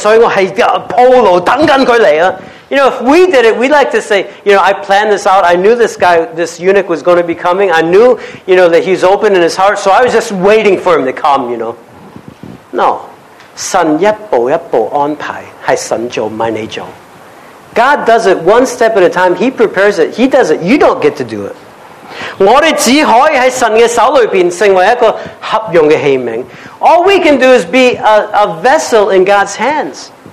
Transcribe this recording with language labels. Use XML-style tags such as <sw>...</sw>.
<zh>如果我们做到这样的事，我们终于说人听，是，我计划了，我知道有个太监在那里，所以我是铺路等着他来。</zh> <en>You know, if we did it, we'd like to say, you know, I planned this out. I knew this guy, this eunuch was going to be coming. I knew, you know, that he's open in his heart. So I was just waiting for him to come, you know. No.</en> <zh>神一步一步安排，是神做，不是你做。</zh> <en>God does it one step at a time. He prepares it. He does it. You don't get to do it.</en> <zh>我们只可以在神的手里面成为一个合用的器皿。</zh> <en>All we can do is be a vessel in God's hands.</en>